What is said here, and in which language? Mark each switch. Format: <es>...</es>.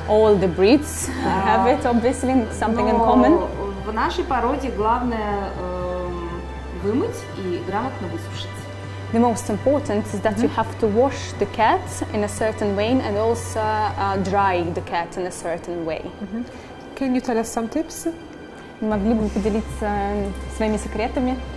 <en>All the breeds have it, obviously, something in common.</en> <ru>В нашей породе главное вымыть и грамотно высушить.</ru> <en>The most important is that you have to wash the cat in a certain way and also dry the cat in a certain way. Can you tell us some tips?</en> <ru>Могли бы поделиться своими секретами?</ru>